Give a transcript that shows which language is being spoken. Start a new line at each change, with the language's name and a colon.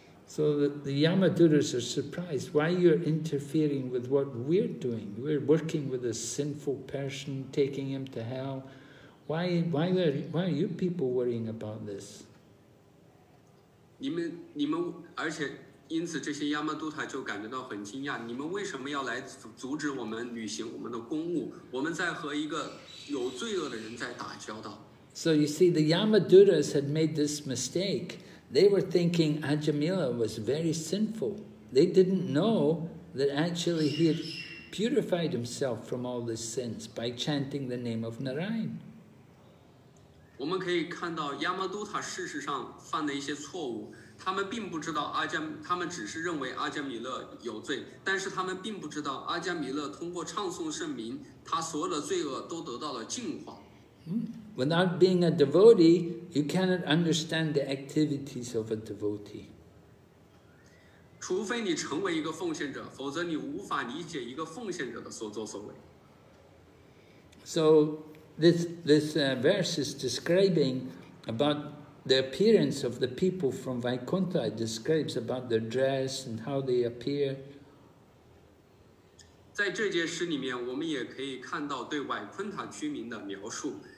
English: So the Yamaduras are surprised. Why are you interfering with what we're doing? We're working with a sinful person, taking him to hell. Why are you people worrying about this?
Chinese: 你们而且因此这些亚玛杜塔就感觉到很惊讶，你们为什么要来阻止我们履行我们的公务？我们在和一个有罪恶的人在打交道。
English: So you see, the Yamadutas had made this mistake. They were thinking Ajamila was very sinful. They didn't know that actually he had purified himself from all his sins by chanting the name of Narayan.
Chinese: 我们可以看到亚玛杜塔事实上犯了一些错误，他们并不知道阿加，他们只是认为阿加米勒有罪，但是他们并不知道阿加米勒通过唱诵圣名，他所有的罪恶都得到了净化。
English: Without being a devotee, you cannot understand the activities of a devotee.
Chinese: 除非你成为一个奉献者，否则你无法理解一个奉献者的所作所为。
English: So this verse is describing about the appearance of the people from Vaikuntha. It describes about their dress and how they appear.
Chinese: 在这节诗里面，我们也可以看到对瓦昆塔居民的描述。